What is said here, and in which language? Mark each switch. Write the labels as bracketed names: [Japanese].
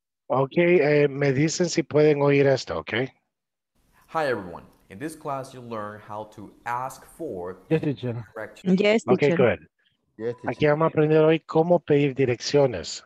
[Spanish] Okay, me dicen si pueden oír esto, okay? [English] Hi everyone. In this class you'll learn how to ask for yes, teacher. Correct. Yes, okay, teacher. Good. [Spanish] Aquí vamos a aprender hoy cómo pedir direcciones.